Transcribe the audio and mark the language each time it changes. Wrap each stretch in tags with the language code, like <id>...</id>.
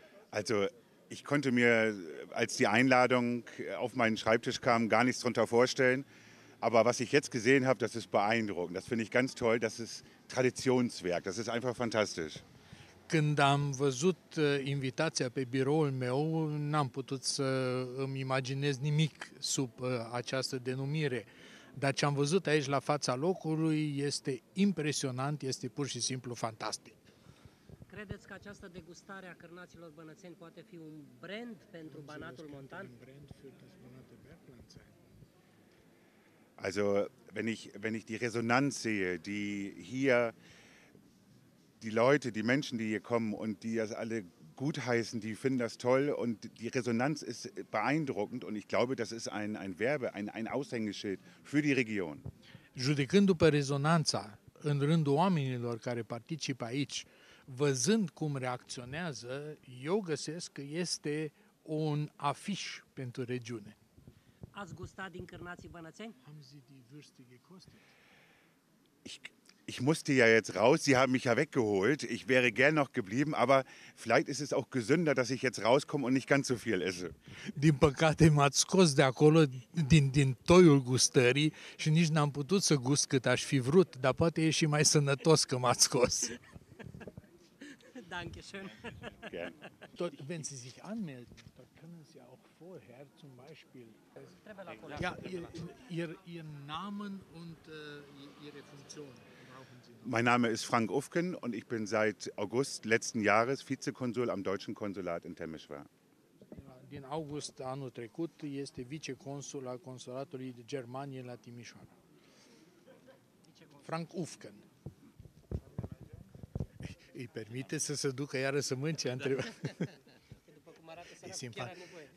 <de>Also, ich konnte mir, als die Einladung auf meinen Schreibtisch kam, gar nichts drunter vorstellen. Aber was ich jetzt gesehen habe, das ist beeindruckend. Das finde ich ganz toll. Das ist Traditionswerk. Das ist einfach fantastisch.</de> <ro>Când am văzut invitația pe biroul meu, n-am putut să îmi imaginez nimic sub această denumire. Dar ce am văzut aici la fața locului este impresionant, este pur și simplu fantastic. Credeți că această degustare a cărnaților bănățeni poate fi un brand pentru Banatul Montan?</ro> <de>Also, wenn ich die Resonanz sehe, die hier die Leute, die Menschen, die hier kommen und die das alle gut heißen, die finden das toll und die Resonanz ist beeindruckend und ich glaube, das ist ein Werbe, ein Aushängeschild für die Region.</de> <ro>Judecând după rezonanța în rândul oamenilor care participă aici, văzând cum reacționează, eu găsesc că este un afiș pentru regiune. Ați gustat din cărnații bănățeni?</ro> <de>Haben Sie die Würste gekostet? Ich musste ja jetzt raus, Sie haben mich ja weggeholt. Ich wäre gern noch geblieben, aber vielleicht ist es auch gesünder, dass ich jetzt rauskomme und nicht ganz so viel esse.</de> <ro>Din păcate m-ați scos de acolo din toiul gustării și nici n-am putut să gust cât aș fi vrut, dar poate e și mai sănătos că m-ați scos.</ro> <de>Danke schön. Gern. Wenn Sie sich anmelden, da können Sie auch vorher zum Beispiel... Ja, Ihr Namen und Ihre Funktion. Mein Name ist Frank Ufken und ich bin seit August letzten Jahres Vizekonsul am deutschen Konsulat in Temeswar.</de> <ro>Din august anul trecut este viceconsul al consulatului de Germanie la Timișoara. Frank Ufken. Îi permite să se ducă iară să mânce, a întrebat. După cum arată seara, chiar are nevoie.</ro>